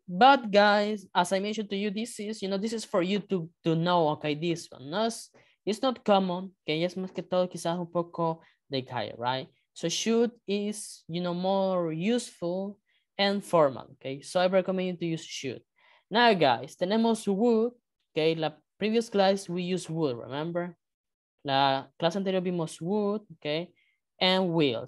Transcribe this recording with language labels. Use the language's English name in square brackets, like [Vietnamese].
[English] But guys, as I mentioned to you, this is, you know, this is for you to know, okay, this one. No, it's not common, okay? [Spanish] Es más que todo quizás un poco de calle, right? [English] So should is, you know, more useful and formal, okay? So I recommend you to use should. Now, guys, [Spanish] tenemos [English] would, okay? La previous class, we used would, remember? [Spanish] La clase anterior vimos [English] would, okay? And will.